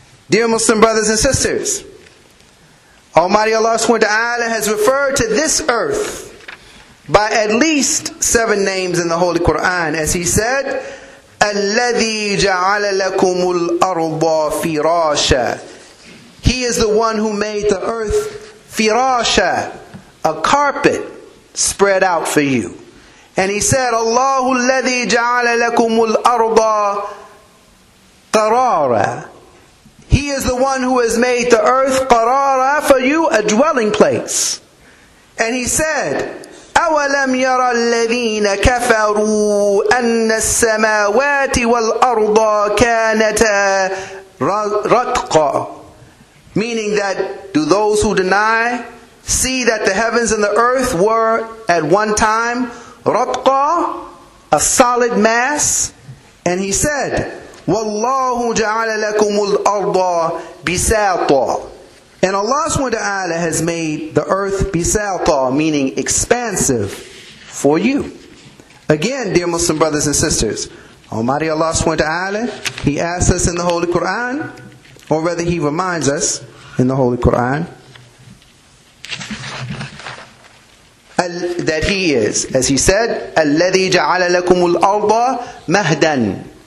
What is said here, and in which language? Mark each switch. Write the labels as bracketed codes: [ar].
[en] Dear Muslim brothers and sisters, Almighty Allah subhanahu wa ta'ala has referred to this earth by at least seven names in the Holy Quran, as he said, [ar] الَّذِي جَعَلَ لَكُمُ الْأَرْضَ فِرَاشًا. [en] He is the one who made the earth firasha, a carpet spread out for you. And he said, [ar] اللَّهُ الَّذِي جَعَلَ لَكُمُ الْأَرْضَ قَرَارًا. [en] He is the one who has made the earth qarara for you, a dwelling place. And he said, [ar] أَوَلَمْ يَرَى الَّذِينَ كَفَرُوا أَنَّ السَّمَاوَاتِ وَالْأَرْضَ كَانَتَا رَتْقًا. [en] Meaning that, do those who deny see that the heavens and the earth were at one time رَتْقًا, a solid mass? And he said, [ar] وَاللَّهُ جَعَلَ لَكُمُ الْأَرْضَ بِسَاطًا. [en] And Allah subhanahu wa ta'ala has made the earth بِسَاطًا, meaning expansive, for you. Again, dear Muslim brothers and sisters, Almighty Allah subhanahu wa ta'ala, he asks us in the Holy Quran, or rather he reminds us in the Holy Quran, that he is, as he said, [ar] الَّذِي جَعَلَ لَكُمُ الْأَرْضَ مَهْدًا.